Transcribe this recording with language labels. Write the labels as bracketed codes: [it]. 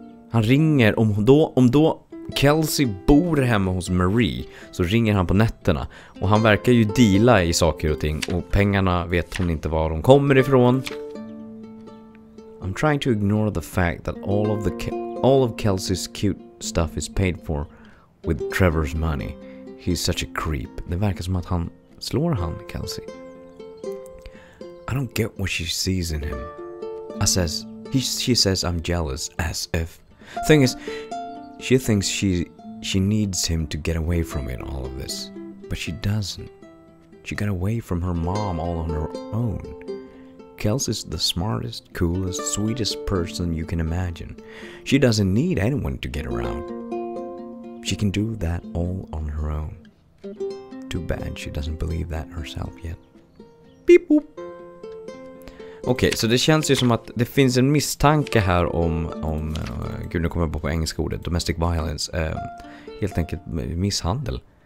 [sv] Han ringer om då Kelsey bor hemma hos Marie, så ringer han på nätterna. Och han verkar ju deala i saker och ting, och pengarna vet hon inte var de kommer ifrån. [en] I'm trying to ignore the fact that all of Kelsey's cute stuff is paid for with Trevor's money. He's such a creep. [sv] Det verkar som att han slår han, Kelsey. [en] I don't get what she sees in him. She says I'm jealous, as if. Thing is, she thinks she needs him to get away from it, all of this. But she doesn't. She got away from her mom all on her own. Kelsey's the smartest, coolest, sweetest person you can imagine. She doesn't need anyone to get around. She can do that all on her own. Too bad she doesn't believe that herself yet. Beep boop. [sv] Okej, så det känns ju som att det finns en misstanke här om gud, nu kommer jag på engelska ordet, [en] domestic violence, [sv] helt enkelt misshandel.